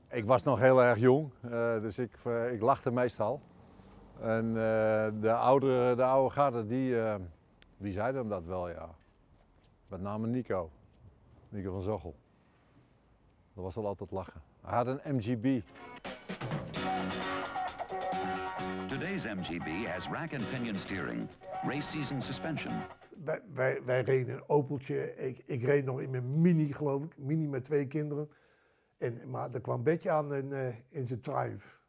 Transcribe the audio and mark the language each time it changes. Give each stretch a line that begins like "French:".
Dutch: Ik was nog heel erg jong, dus ik lachte meestal. En de oude garde, die zeiden hem dat wel, ja. Met name Nico. Nico van Zochel. Dat was wel altijd lachen. Hij had een MGB.
English: MGB has rack and pinion steering, race season suspension.
Dutch: wij reden een Opeltje. Ik reed nog in mijn Mini, geloof ik. Mini met twee kinderen. En, maar er kwam Betje aan in zijn Triumph.